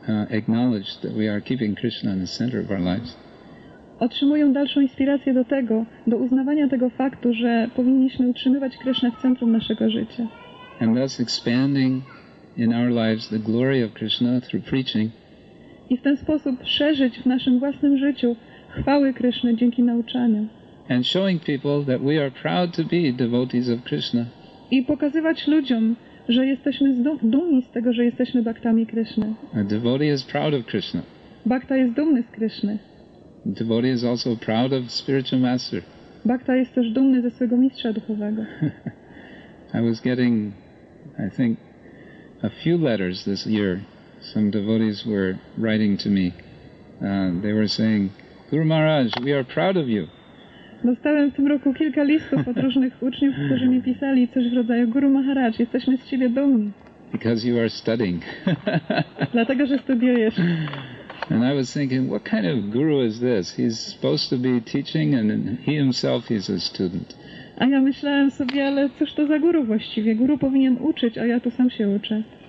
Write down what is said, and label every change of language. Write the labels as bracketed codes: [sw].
[en] Acknowledge that we are keeping Krishna in the center of our lives. [pl] Otrzymują dalszą inspirację do tego, do uznawania tego faktu, że powinniśmy utrzymywać Krishna w centrum naszego życia. [en] And thus expanding in our lives the glory of Krishna through preaching. [pl] I w ten sposób szerzyć w naszym własnym życiu chwały Krishna dzięki nauczaniu. [en] And showing people that we are proud to be devotees of Krishna. [pl] I pokazywać ludziom, że jesteśmy dumni z tego, że jesteśmy bhaktami Krishna. [en] A devotee is proud of Krishna. [pl] Bhakta jest dumny z Krishna. [en] A devotee is also proud of spiritual master. [pl] Bhakta jest też dumny ze swojego mistrza duchowego. [en] I was getting, I think, a few letters this year. Some devotees were writing to me. They were saying, Guru Maharaj, we are proud of you. [pl] Dostałem w tym roku kilka listów od różnych uczniów, którzy mi pisali coś w rodzaju: Guru Maharaj, jesteśmy z ciebie dumni. [en] Because you are studying. [pl] Dlatego, że studiujesz. [en] And I was thinking, what kind of guru is this? He's supposed to be teaching and he himself is a student. [pl] A ja myślałem sobie, ale cóż to za guru właściwie? Guru powinien uczyć, a ja tu sam się uczę.